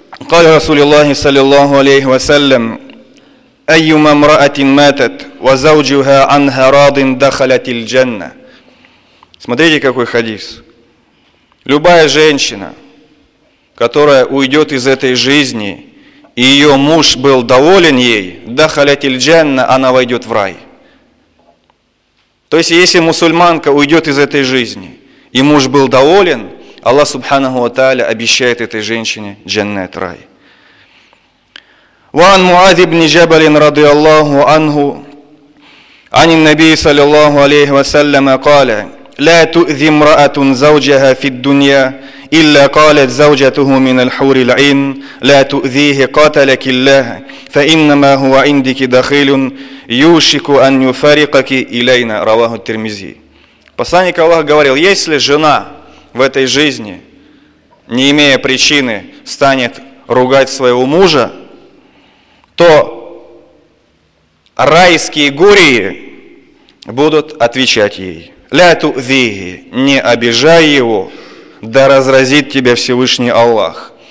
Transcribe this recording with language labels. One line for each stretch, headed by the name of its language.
Arabic: قال رسول الله صلى الله عليه وسلم أيما امرأة ماتت وزوجها عنها راض دخلت الجنة.
Russian: Смотрите, какой хадис. Любая женщина, которая уйдет из этой жизни, и ее муж был доволен ей,
Arabic: دخلت الجنة,
Russian: она войдет в рай. То есть, если мусульманка уйдет из этой жизни, и муж был доволен, Аллах Субханаху ва Тааля обещает этой женщине джаннат, рай.
Arabic: وعن معاذ بن جبل رضي الله عنه عن النبي صلى الله عليه وسلم قال لا تؤذي امرأة زوجها في الدنيا إلا قالت زوجته من الحور العين لا تؤذيه قاتلك الله فإنما هو عندك دخيل يوشك أن يفارقك إلينا رواه الترمذي.
Russian: Посланник Аллах говорил: если жена в этой жизни, не имея причины, станет ругать своего мужа, то райские гурии будут отвечать ей.
Arabic: «Ля тузиги»
Russian: – «Не обижай его, да разразит тебя Всевышний Аллах».